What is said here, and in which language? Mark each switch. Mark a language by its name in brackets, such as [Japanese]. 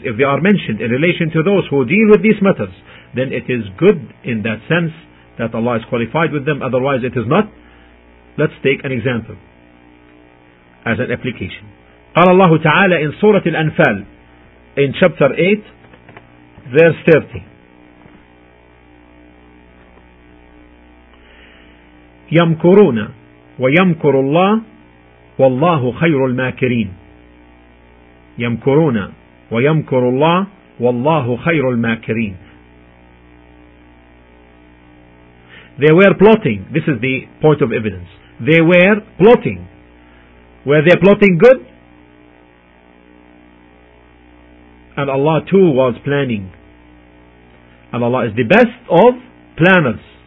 [English] If they are mentioned in relation to those who deal with these matters, then it is good in that sense that Allah is qualified with them. Otherwise, it is not. Let's take an example as an application. [Arabic] قال الله تعالى [English] in Surah Al-Anfal, in chapter 8, verse 30. [Arabic] يمكرون ويمكر الله والله خير الماكرين. يمكرون ويمكر الله والله خير الماكرين. [English] They were plotting. This is the point of evidence. They were plotting. Were they plotting good? And Allah too was planning. And Allah is the best of planners.